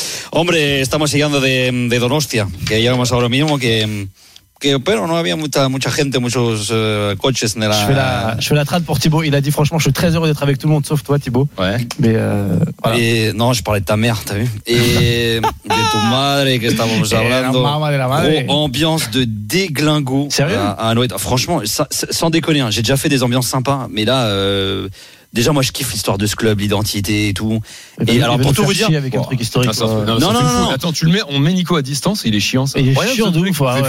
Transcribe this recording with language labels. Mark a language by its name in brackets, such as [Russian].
[Spanish] Hombre, estamos llegando de Donostia, que llegamos ahora mismo, que pero no había mucha gente, muchos coches en la... [French] Je fais la trad pour Thibaut, il a dit franchement je suis très heureux d'être avec tout le monde sauf toi Thibaut. Ouais. Mais voilà. Et non, je parlais de ta mère, t'as vu? Et de ton [Spanish] madre que estábamos hablando. [French] Ambiance de déglingo. Sérieux? À franchement, sans déconner, hein, j'ai déjà fait des ambiances sympas, mais là déjà moi je kiffe l'histoire de ce club, l'identité et tout. Et alors pour tout vous dire avec un truc historique. Ah, non. Attends, tu le mets, on met Nico à distance, il est chiant ça. Il est chiant de ouf.